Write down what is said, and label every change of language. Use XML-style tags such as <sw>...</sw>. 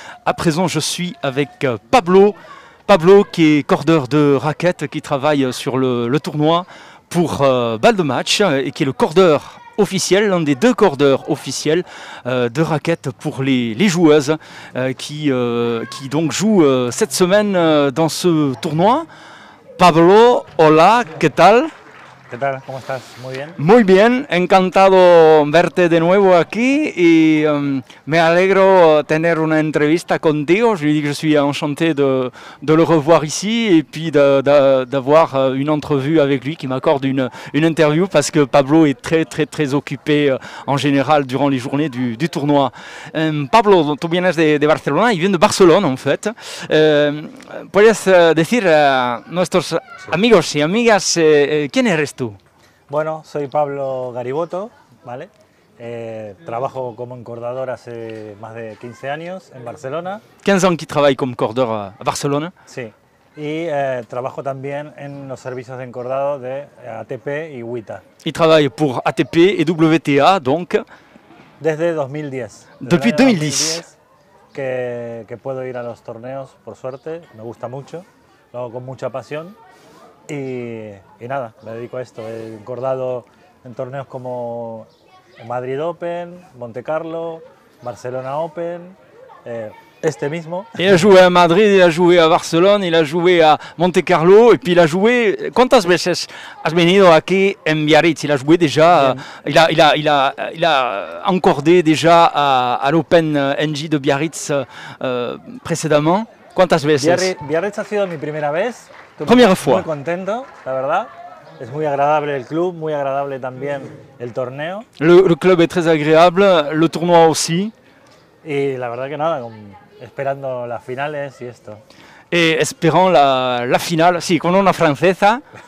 <fr>À présent, je suis avec Pablo. Pablo qui est cordeur de raquettes, qui travaille sur le tournoi pour balle de match et qui est le cordeur officiel, l'un des deux cordeurs officiels de raquettes pour les joueuses qui donc jouent cette semaine dans ce tournoi.</fr> <es>Pablo, hola, ¿qué tal? ¿Qué tal? ¿Cómo estás? Muy bien. Muy bien, encantado verte de nuevo aquí y me alegro tener una entrevista contigo.</es> <fr>Je lui dis que je suis enchanté de le revoir ici et puis d'avoir une entrevue avec lui, qui m'accorde une interview, parce que Pablo est très très très occupé en général durant les journées du tournoi.</fr> <es>Pablo, tu vienes de Barcelona,</es> <fr>il vient de Barcelone en fait.</fr> <es>¿Puedes decir a nuestros amigos y amigas quién eres tú? Bueno, soy Pablo Gariboto, ¿vale? Trabajo como encordador hace más de 15 años en Barcelona. 15 años que trabajo como encordador a Barcelona. Sí, y trabajo también en los servicios de encordado de ATP y WTA. Y trabajo por ATP y WTA, donc. Desde 2010.</es> <fr>Depuis 2010.</fr> <es>Que puedo ir a los torneos, por suerte, me gusta mucho, lo hago con mucha pasión. Y nada, me dedico a esto. He encordado en torneos como Madrid Open, Monte Carlo, Barcelona Open, este mismo.</es> <fr>Il a joué à Madrid, il a joué à Barcelone, il a joué à Monte Carlo, et puis il a joué.</fr> <es>¿Cuántas veces has venido aquí en Biarritz?</es> <fr>Il a joué déjà, il a encordé déjà à l'Open NG de Biarritz précédemment.</fr> <es>¿Cuántas veces? Biarritz ha sido mi primera vez.</es> <fr>Première fois.</fr> <es>Muy contento, la verdad. Es muy agradable el club, muy agradable también el torneo.</es> <fr>Le club est très agréable, le tournoi aussi.</fr> <es>Y la verdad que nada, esperando las finales y esto.</es> <fr>Et esperant la finale,</fr> <es>sí, con una francesa.</es>